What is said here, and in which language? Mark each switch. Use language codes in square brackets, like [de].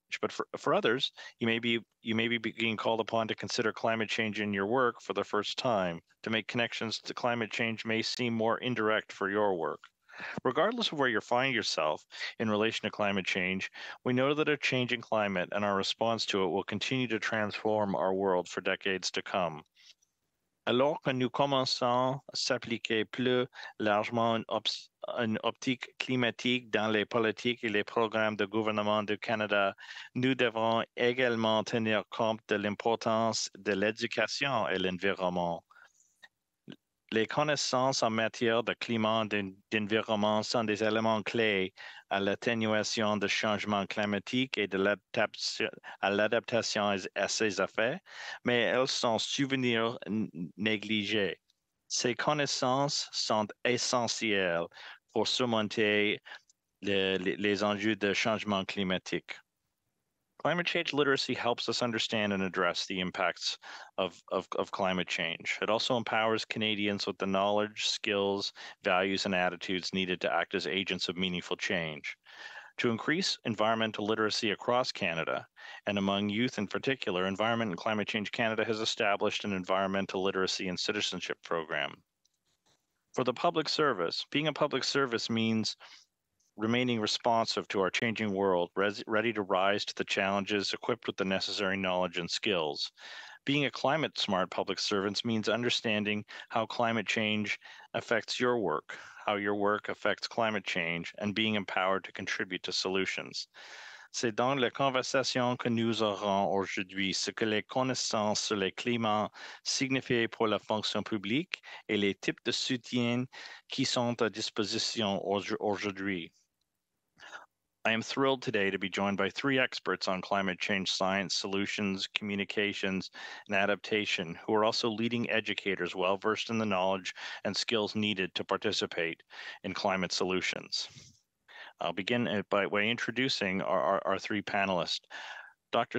[en] But for others, you may be being called upon to consider climate change in your work for the first time. To make connections to climate change may seem more indirect for your work. Regardless of where you find yourself in relation to climate change, we know that a changing climate and our response to it will continue to transform our world for decades to come. [fr] Alors que nous commençons à s'appliquer plus largement une optique climatique dans les politiques et les programmes du gouvernement du Canada, nous devons également tenir compte de l'importance de l'éducation et l'environnement. Les connaissances en matière de climat et d'environnement sont des éléments clés à l'atténuation du changement climatique et à l'adaptation à ses effets, mais elles sont souvent négligées. Ces connaissances sont essentielles pour surmonter les enjeux de changement climatique. [en] Climate change literacy helps us understand and address the impacts of climate change. It also empowers Canadians with the knowledge, skills, values, and attitudes needed to act as agents of meaningful change. To increase environmental literacy across Canada, and among youth in particular, Environment and Climate Change Canada has established an environmental literacy and citizenship program. For the public service, being a public service means remaining responsive to our changing world, ready to rise to the challenges, equipped with the necessary knowledge and skills. Being a climate smart public servant means understanding how climate change affects your work, how your work affects climate change, and being empowered to contribute to solutions. [fr] C'est dans la conversation que nous aurons aujourd'hui ce que les connaissances sur le climat signifient pour la fonction publique et les types de soutien qui sont à disposition aujourd'hui. [en] I am thrilled today to be joined by three experts on climate change science, solutions, communications, and adaptation, who are also leading educators well-versed in the knowledge and skills needed to participate in climate solutions. I'll begin by way introducing our three panelists. Dr.